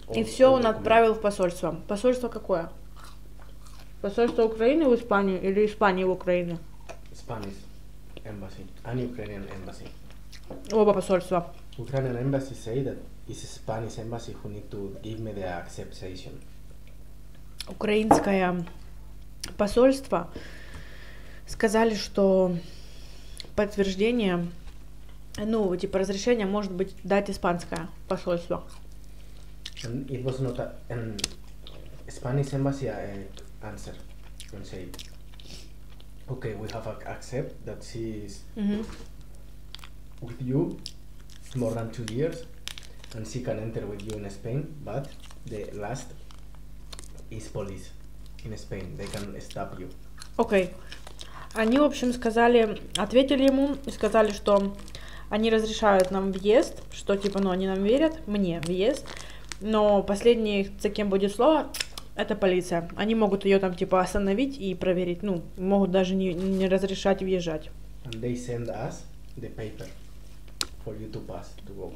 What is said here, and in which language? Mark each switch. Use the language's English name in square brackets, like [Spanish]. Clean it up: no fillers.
[Russian] И все он отправил в посольство. Посольство какое? Посольство Украины в Испанию или Испании в Украину? [English] Spanish embassy. An Ukrainian embassy. [Russian] Оба посольства. [English] Ukrainian embassy say that it's a Spanish embassy who need to give me the acceptation. [Russian] Украинское посольство сказали, что подтверждение, ну, типа разрешение может быть дать испанское посольство. [English] And it was not Spanish embassy answer and say, okay, we have accept that she is mm-hmm. with you more than 2 years. And she can enter with you in Spain, but the last is police in Spain. They can stop you. Okay. [Russian] Они, в общем, сказали, ответили ему и сказали, что они разрешают нам въезд, что типа, ну, они нам верят, мне въезд, но последний, за кем будет слово, это полиция. Они могут ее там типа остановить и проверить, ну, могут даже не разрешать въезжать. [English] And they send us the paper for you to pass to go.